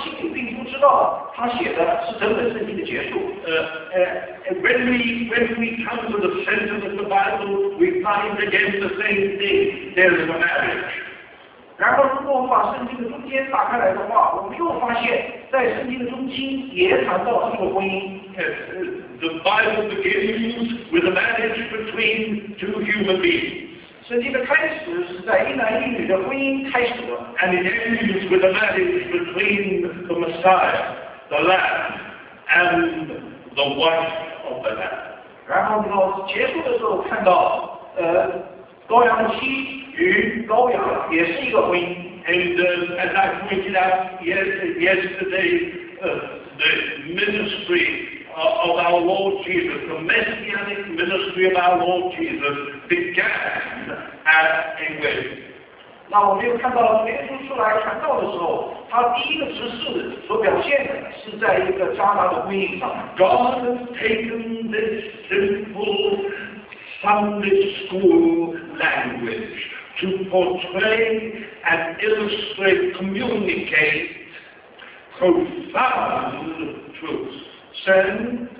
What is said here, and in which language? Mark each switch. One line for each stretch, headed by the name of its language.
Chinese: 我想当约翰在写启示录的时候，在他的心里并不知道他写的是整本圣经的结束。
English: When we come to the center of the Bible, we find again the same thing. There is a marriage.
Chinese: 然后，如果我们把圣经的中间打开来的话，我们又发现，在圣经的中心也谈到这个婚姻。
English: The Bible begins with a marriage between two human beings.
Chinese: 圣经的开始是在一男一女的婚姻开始的。
English: And it ends with a marriage between the Messiah, the Lamb, and the wife of the Lamb.
Chinese: 然后呢，结束的时候看到，羔羊的妻与羔羊也是一个婚姻。
English: And as I pointed out yesterday, the ministry of our Lord Jesus, the messianic ministry of our Lord Jesus began at a wedding.
Chinese: 那我们又看到了耶稣出来传道的时候，他第一个执事所表现的是在一个迦拿的婚姻上。God
English: has taken this simple Sunday school language to portray and illustrate, communicate profound truths.